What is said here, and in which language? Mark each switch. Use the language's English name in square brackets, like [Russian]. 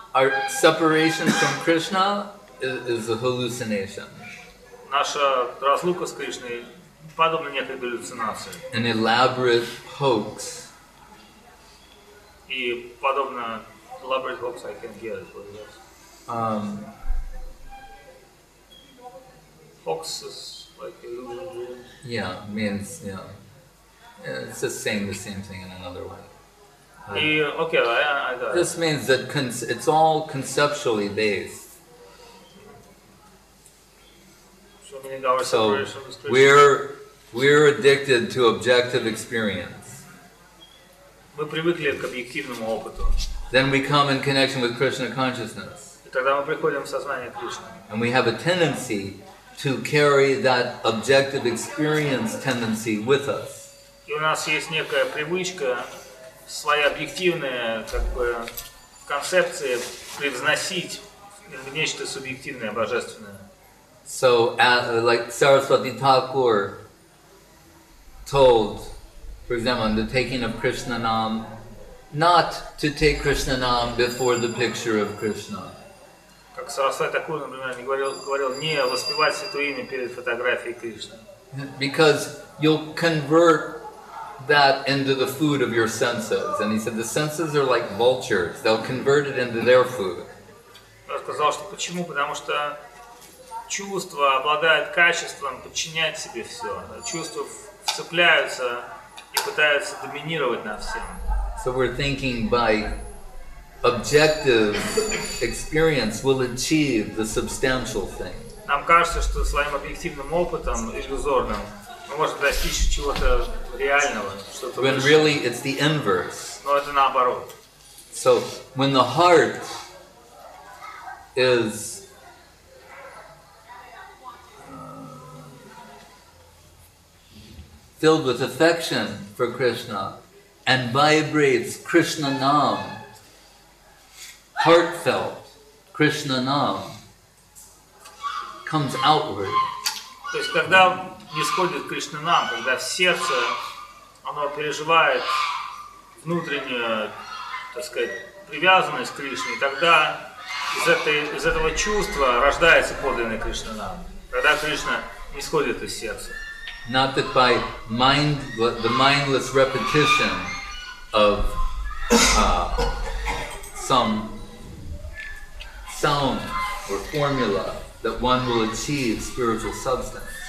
[English] Our separation from Krishna is a hallucination. [Russian] Наша разлука с Кришной подобна некой галлюцинации. [English] An elaborate hoax. [Russian] И подобно [English] elaborate hoax, I can't get it, what it is. Hoax is like illusion. Yeah, means, yeah. It's just saying the same thing in another way. I got it. This means that it's all conceptually based. So we're addicted to objective experience. [Russian] Мы привыкли к объективному опыту. [English] Then we come in connection with Krishna consciousness. [Russian] И тогда мы приходим в сознание Кришны. [English] And we have a tendency to carry that objective experience tendency with us. [Russian] И у нас есть некая привычка, свои объективные как бы, концепции превзносить в нечто субъективное, божественное. [English] So, like Saraswati Thakur told, for example, the taking of Krishna Nam, not to take Krishna Nam before the picture of Krishna. [Russian] Как Сарасвати Такур, например, говорил не воспевать святое имя перед фотографией Кришны. [English] Because you'll convert that into the food of your senses. And he said, the senses are like vultures. They'll convert it into their food. [Russian] Я сказал, что почему? Потому что чувства обладают качеством подчинять себе все. Чувства вцепляются и пытаются доминировать над всем. [English] So we're thinking by objective experience we'll achieve the substantial thing. [Russian] Нам кажется, что своим объективным опытом иллюзорным мы можем достичь чего-то реального, [English] when [Russian] выше. [English] Really it's the inverse. [Russian] Но это наоборот. [English] So when the heart is filled with affection for Krishna and vibrates Krishna Nam, heartfelt Krishna Nam comes outward. [Russian] То есть когда нисходит Кришна Нам, когда в сердце оно переживает внутреннюю, так сказать, привязанность к Кришне, и тогда из этого чувства рождается подлинный Кришна Нам. Тогда Кришна нисходит из сердца. [English] Not that by mind, the mindless repetition of some sound or formula that one will achieve spiritual substance.